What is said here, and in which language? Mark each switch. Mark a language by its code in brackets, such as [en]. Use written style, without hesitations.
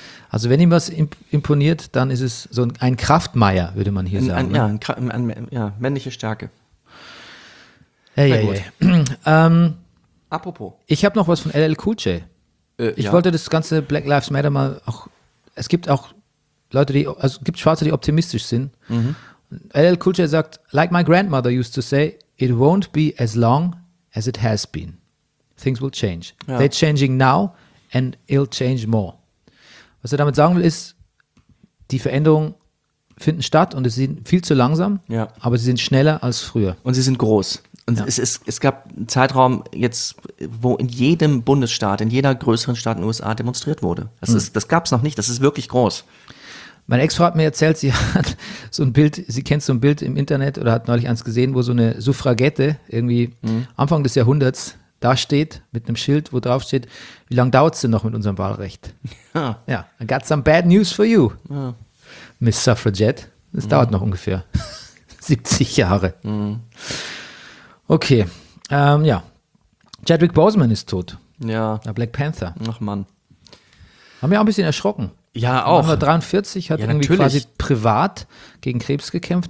[de] Also wenn ihm was imponiert, dann ist es so ein Kraftmeier, würde man hier sagen. Männliche Stärke. Apropos. Ich habe noch was von LL Cool J. Ich wollte das ganze Black Lives Matter mal auch, es gibt auch Leute, gibt Schwarze, die optimistisch sind. Mhm. LL Cool J sagt, [en] like my grandmother used to say, it won't be as long as it has been. things will change. Ja. They're changing now and it'll change more. [de] Was er damit sagen will, ist, die Veränderungen finden statt und sie sind viel zu langsam, ja, aber sie sind schneller als früher. Und sie sind groß. Und ja, es gab einen Zeitraum jetzt, wo in jedem Bundesstaat, in jeder größeren Stadt in den USA demonstriert wurde. Das gab es noch nicht, das ist wirklich groß. Meine Ex-Frau hat mir erzählt, sie hat so ein Bild, sie kennt so ein Bild im Internet oder hat neulich eins gesehen, wo so eine Suffragette irgendwie Anfang des Jahrhunderts da steht mit einem Schild, wo drauf steht, wie lange dauert es denn noch mit unserem Wahlrecht? Ja, [en] I got some bad news for you, ja, Miss Suffragette. [de] Es dauert noch ungefähr 70 Jahre. Okay, ja. Chadwick Boseman ist tot. Ja. Der Black Panther. Ach Mann. Haben wir auch ein bisschen erschrocken. Ja, auch. 1943 hat irgendwie quasi privat gegen Krebs gekämpft.